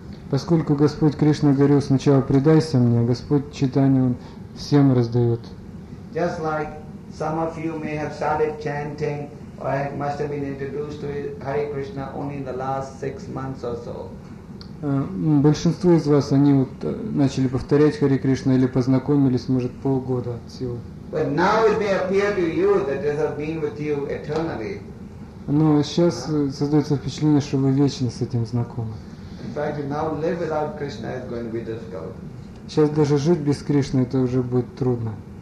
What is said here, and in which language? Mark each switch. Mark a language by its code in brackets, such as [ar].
[ru] Поскольку Господь Кришна говорил, сначала предайся мне, Господь Чайтанья он всем раздает. [en] Just like some of you may have started chanting, or I must have been introduced to Hare Krishna only in the last 6 months or so. [ru] Большинство из вас они вот начали повторять Hare Krishna или познакомились, может, полгода от силы. [en] But now it may appear to you that it has been with you eternally. [ru] Но сейчас создается впечатление, что вы вечно с этим знакомы. [en] In fact, if now live without Krishna is going to be difficult. [ru] Сейчас даже жить без Кришны это уже будет трудно.